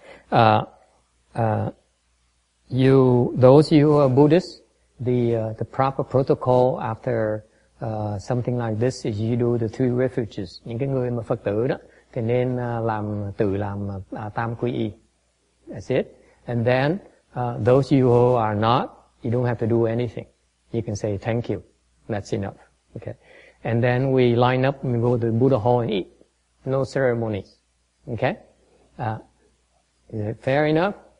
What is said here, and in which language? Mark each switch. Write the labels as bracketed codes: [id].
[en] Those of you who are Buddhists, the proper protocol after something like this is you do the three refuges. [vi] Những cái người mà Phật tử đó thì nên làm tam quy y. [en] That's it. And then those of you who are not, you don't have to do anything. You can say thank you. That's enough. Okay. And then we line up and we go to the Buddha hall and eat. No ceremonies. Okay. Is it fair enough?